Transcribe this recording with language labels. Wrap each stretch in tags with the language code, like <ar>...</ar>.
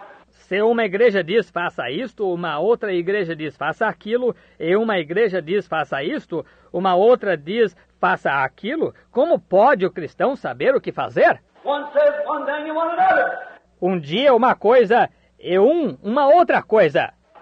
<pt>Se uma igreja diz faça isto, uma outra igreja diz faça aquilo, e uma igreja diz faça isto, uma outra diz faça aquilo, como pode o cristão saber o que fazer?</pt> <en>One says one thing and one another.</en> <pt>Um dia uma coisa e uma outra coisa.</pt>